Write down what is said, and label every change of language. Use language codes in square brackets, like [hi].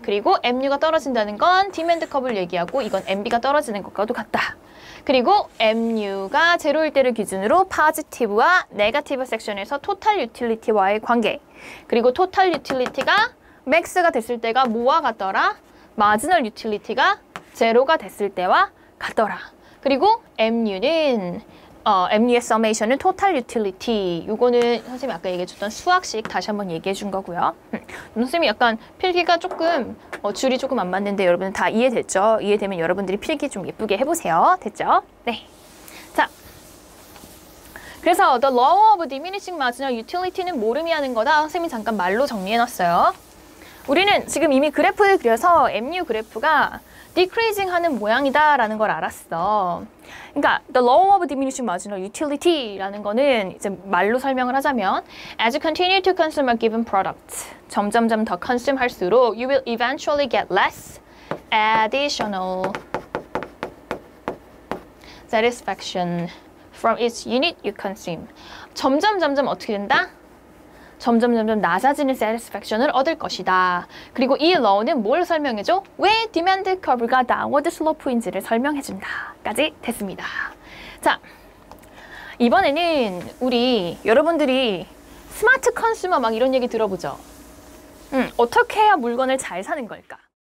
[ko] 그리고 MU가 떨어진다는 건 demand curve를 얘기하고 이건 MB가 떨어지는 것과도 같다. 그리고 MU가 제로일 때를 기준으로 positive와 negative section에서 total utility와의 관계. 그리고 total utility가 max가 됐을 때가 뭐와 같더라? marginal utility가 제로가 됐을 때와 같더라. 그리고 MU는 MU의 summation은 total utility. 요거는 선생님이 아까 얘기해줬던 수학식 다시 한번 얘기해준 거고요. 선생님이 약간 필기가 조금 줄이 조금 안 맞는데 여러분은 다 이해됐죠? 이해되면 여러분들이 필기 좀 예쁘게 해보세요. 됐죠? 네. 자, 그래서 the law of diminishing marginal utility는 뭘 의미하는 거다? 선생님이 잠깐 말로 정리해놨어요. 우리는 지금 이미 그래프를 그려서 MU 그래프가 decreasing 하는 모양이다 라는 걸 알았어. 그러니까 [en] the law of diminishing marginal utility [ko] 라는 거는 이제 말로 설명을 하자면 [en] as you continue to consume a given product [ko] 점점점 더 [en] consume [ko] 할수록 [en] you will eventually get less additional satisfaction from each unit you consume. [ko] 점점점점 어떻게 된다? 점점점점 낮아지는 satisfaction을 얻을 것이다. 그리고 이 law는 뭘 설명해줘? 왜 demand curve가 downward slope인지를 설명해준다. 까지 됐습니다. 자, 이번에는 우리 여러분들이 스마트 컨슈머 막 이런 얘기 들어보죠. 어떻게 해야 물건을 잘 사는 걸까?